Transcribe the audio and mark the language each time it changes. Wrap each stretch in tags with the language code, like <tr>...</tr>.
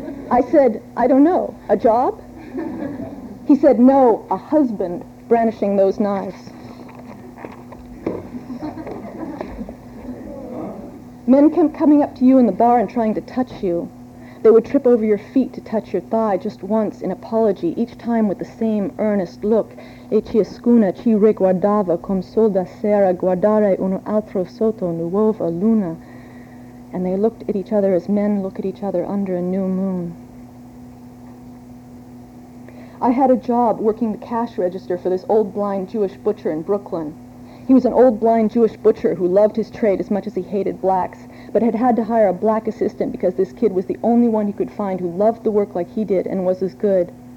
<en>I said, "I don't know, a job?" He said, "No, a husband," brandishing those knives. Men kept coming up to you in the bar and trying to touch you. They would trip over your feet to touch your thigh just once in apology, each time with the same earnest look.</en> <it>E ciascuna ci riguardava come sol da sera guardare un altro sotto nuova luna.</it> <en>And they looked at each other as men look at each other under a new moon. I had a job working the cash register for this old blind Jewish butcher in Brooklyn. He was an old blind Jewish butcher who loved his trade as much as he hated blacks, but had had to hire a black assistant because this kid was the only one he could find who loved the work like he did and was as good.</en>